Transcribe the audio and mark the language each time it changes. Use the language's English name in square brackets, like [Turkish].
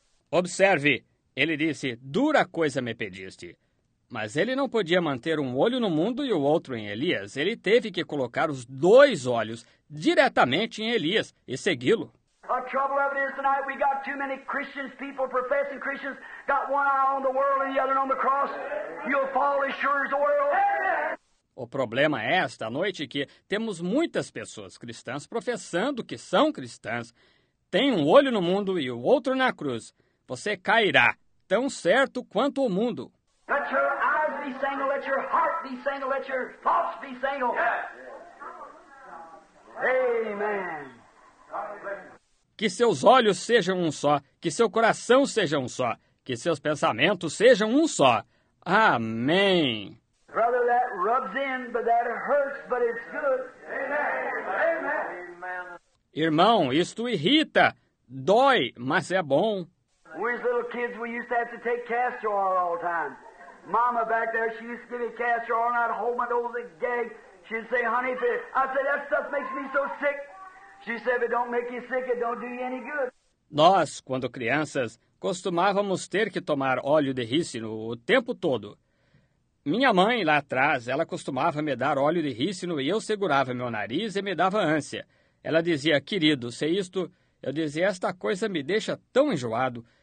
[Portuguese] Observe, ele disse, dura coisa me pediste. Mas ele não podia manter um olho no mundo e o outro em Elias. Ele teve que colocar os dois olhos diretamente em Elias e segui-lo. [English] A trouble of it is tonight we got too many Christians, people professing Christians, got one eye on the world and the other on the cross. You'll fall as sure as the world. [Portuguese] O problema é esta noite que temos muitas pessoas cristãs professando que são cristãs. Tem um olho no mundo e o outro na cruz. Você cairá tão certo quanto o mundo. [English] Let your eyes be single, let your heart be single, let your thoughts be single. Yes. Amen. [Portuguese] Que seus olhos sejam um só, que seu coração seja um só, que seus pensamentos sejam um só. Amém. [English] Brother, that rubs in, but that hurts, but it's good. Amen. Amen. [Portuguese] Irmão, isto irrita, dói, mas é bom. [English] We as little kids, we used to have to take castor all the time. Mama back there, she used to give me castor all night, hold my nose and gag. She'd say, honey, if it, I said, that stuff makes me so sick. She said, if it don't make you sick, it don't do you any good. [Portuguese] Nós, quando crianças, costumávamos ter que tomar óleo de rícino o tempo todo. Minha mãe, lá atrás, ela costumava me dar óleo de rícino e eu segurava meu nariz e me dava ânsia. Ela dizia, querido, se isto... Eu dizia, esta coisa me deixa tão enjoado.